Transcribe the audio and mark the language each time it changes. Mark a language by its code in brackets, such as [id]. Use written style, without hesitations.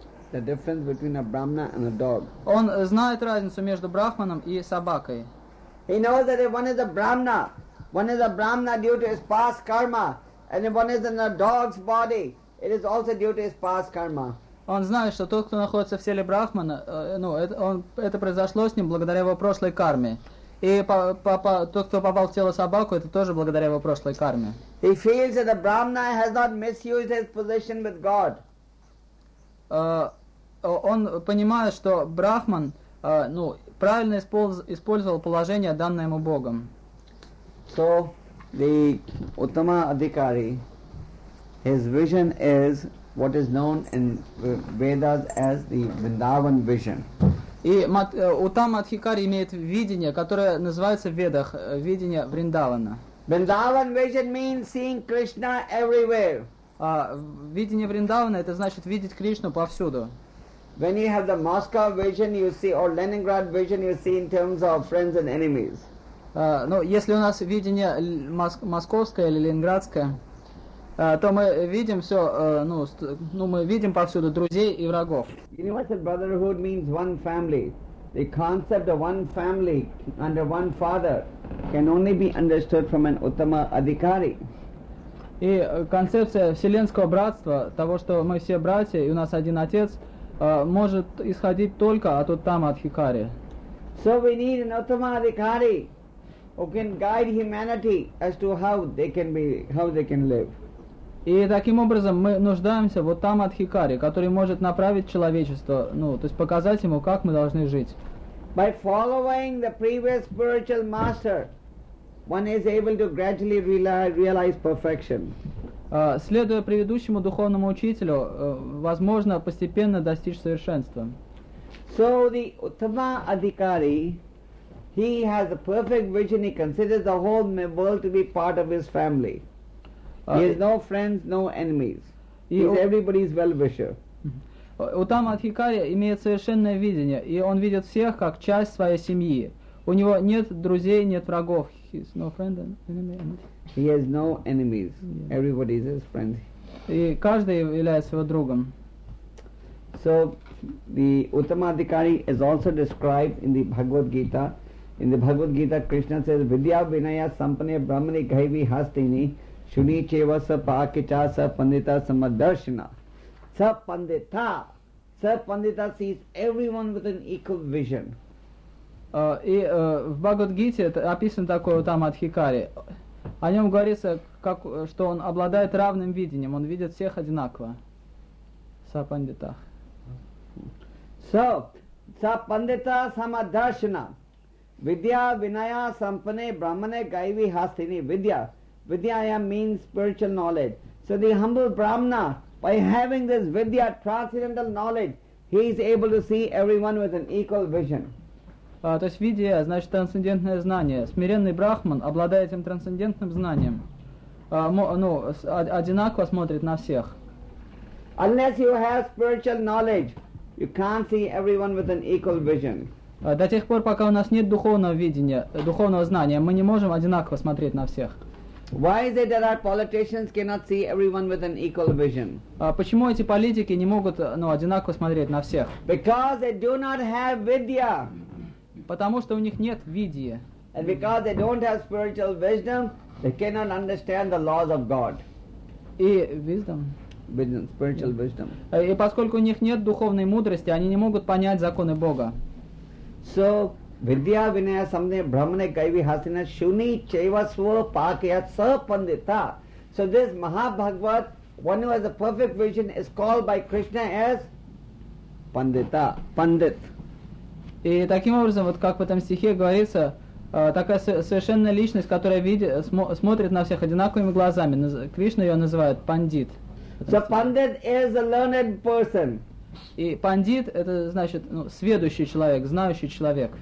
[en] The difference between a Brahmana and a dog. [ru] Он знает разницу между брахманом и собакой. [en] He knows that if one is a Brahmana, one is a Brahmana due to his past karma, and if one is in a dog's body, it is also due to his past karma. [ru] Он знает, что тот, кто находится в теле брахмана, это произошло с ним благодаря его прошлой карме. И тот, кто попал в тело собаку, это тоже благодаря его прошлой карме. [en] He feels that the Brahmana has not misused his position with God. [ru] Он понимает, что брахман правильно использовал положение, данное ему Богом. [en] So, the Uttama Adhikari, his vision is what is known in Vedas as the Vrindavan vision. [ru] И Уттама Адхикари имеет видение, которое называется в Ведах видение Вриндавана. [en] Vrindavan vision means seeing Krishna everywhere. [ru] Видение Вриндавана это значит видеть Кришну повсюду. [en] When you have the Moscow vision, you see, or Leningrad vision, you see in terms of friends and enemies. [ru] Если у нас видение московское или ленинградское, то мы видим все, мы видим повсюду друзей и врагов. [en] Universal brotherhood means one family. The concept of one family under one father can only be understood from an Uttama Adhikari. [ru] И концепция вселенского братства, того, что мы все братья и у нас один отец, может исходить только от Уттама Адхикари. [en] So we need an Uttama Adhikari who can guide humanity as to how they can live. [ru] И таким образом мы нуждаемся в Уттама Адхикари, который может направить человечество, то есть показать ему, как мы должны жить. [en] By following the previous spiritual master, one is able to gradually realize perfection. [ru] Следуя предыдущему духовному учителю, возможно постепенно достичь совершенства. [en] So the Uttama Adhikari, he has a perfect vision, he considers the whole world to be part of his family. He has no friends, no enemies. He is everybody's well-wisher. [ru] Уттама Адхикари имеет совершенное видение, и он видит всех как часть своей семьи. У него нет друзей, нет врагов. [en] He has no friends, no enemies. He has no enemies. Everybody is his friend. [ru] И каждый является его другом. [en] So, the Uttama Adhikari is also described in the Bhagavad Gita. In the Bhagavad Gita, Krishna says, [sa] Vidya Vinaya Sampane Brahmani Gaivi Hastini Shuni Cheva Sa Pakicha Sa Pandita Samadarshana. Sa Pandita. [en] Sa Pandita sees everyone with an equal vision. [ru] В Бхагавад Гите описан такой Уттама Адхикари. О нем говорится, что он обладает равным видением. Он видит всех одинаково. [sa] Sa Pandita. So, Sa Pandita Samadarshana. Vidya Vinaya Sampane Brahmane Gaivi Hastini Vidya. [en] Vidyaya means spiritual knowledge. So the humble Brahmana, by having this Vidya, transcendental knowledge, he is able to see everyone with an equal vision. [ru] То есть Vidya значит трансцендентное знание. Смиренный Брахман обладает этим трансцендентным знанием. Одинаково смотрит на всех. [en] Unless you have spiritual knowledge, you can't see everyone with an equal vision. [ru] До тех пор, пока у нас нет духовного видения, духовного знания, мы не можем одинаково смотреть на всех. [en] Why is it that our politicians cannot see everyone with an equal vision? [ru] Почему эти политики не могут, одинаково смотреть на всех? [en] Because they do not have vidya. [ru] Потому что у них нет видья. [en] And because they don't have spiritual wisdom, they cannot understand the laws of God. [ru] И wisdom. [en] Wisdom, spiritual wisdom. [ru] И поскольку у них нет духовной мудрости, они не могут понять законы Бога. [sa] So, Vidya Vinaya Samne Brahmane Gaivi Hasina Shuni Cheva Swa Pakya Sa Pandita. [en] So this Mahabhagavat, one who has a perfect vision, is called by Krishna as Pandita, Pandit. [ru] И таким образом, как в этом стихе говорится, такая совершенная личность, которая смотрит на всех одинаковыми глазами, Кришна ее называет Пандит. [en] So Pandit is a learned person. [ru] И пандит это значит сведущий человек, знающий человек.